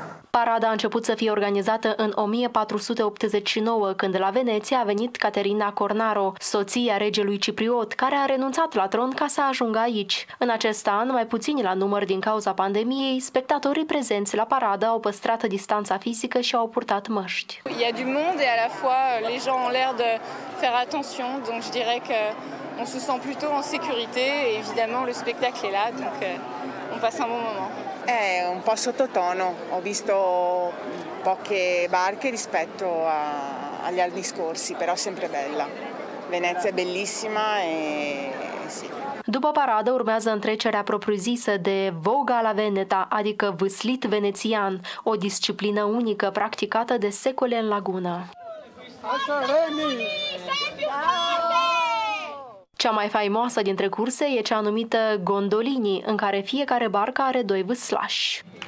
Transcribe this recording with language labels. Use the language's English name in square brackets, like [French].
[Romanian] Parada a început să fie organizată în 1489, când la Veneția a venit Caterina Cornaro, soția regelui Cipriot, care a renunțat la tron ca să ajungă aici. În acest an, mai puțini la număr din cauza pandemiei, spectatorii prezenți la paradă au păstrat distanța fizică și au purtat măști. [French] Il y a du monde et à la fois les gens ont l'air de faire attention, donc je dirais que on se sent plutôt en sécurité et évidemment le spectacle est là, donc on passe un bon moment. [Italian] È un po' sottotono, ho visto poche barche rispetto agli anni scorsi, però sempre bella. Venezia è bellissima e sì. [Romanian] După paradă urmează întrecerea propriu-zisă de Voga la Veneta, adică vâslit venețian, o disciplină unică practicată de secole în lagună. Cea mai faimoasă dintre curse e cea numită Gondolini, în care fiecare barcă are doi vâslași.